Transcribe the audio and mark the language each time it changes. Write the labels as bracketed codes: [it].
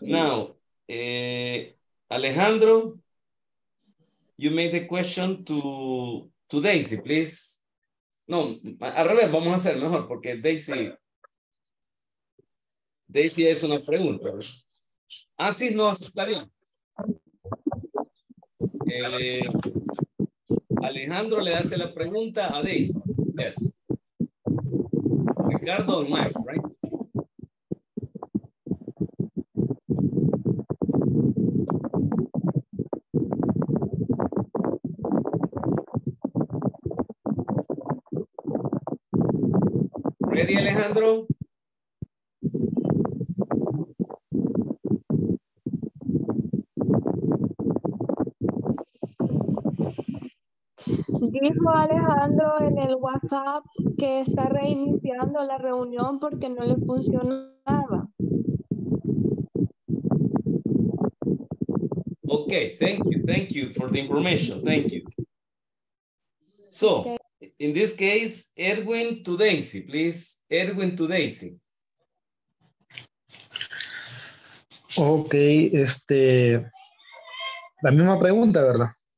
[en] Now, Alejandro, you made the question to Daisy, please. [es] No, al revés, vamos a hacer mejor, porque Daisy es una pregunta. Ah, sí, no, está bien. Alejandro le hace la pregunta a Daisy. [en] Yes. Ricardo or Max, right? Ready, Alejandro? [es] Dijo Alejandro en el WhatsApp que está reiniciando la reunión porque no le funcionaba. [en] Okay, thank you for the information, thank you. So, okay. In this case, Edwin to Daisy, please. Edwin to Daisy. [es] Okay, la misma pregunta, ¿verdad?